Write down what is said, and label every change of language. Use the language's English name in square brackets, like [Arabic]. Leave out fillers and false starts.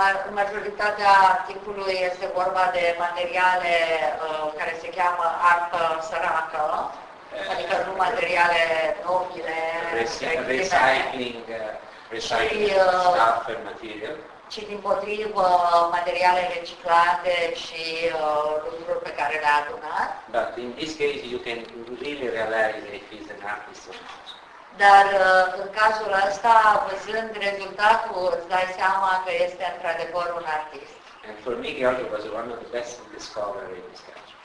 [Romanian] Majoritatea timpului este vorba de materiale care se cheamă artă săracă, adică nu materiale nobile, [English] recycling stuff and material, [Romanian] ci din potrivă materiale reciclate și lucruri pe care le-a adunat. [English] But in this case you can really realize if he's an artist. [Romanian] Dar în cazul ăsta, văzând rezultatul, îți dai seama că este într-adevăr un artist. [English] And for me, George was one of the best discoverers in this country.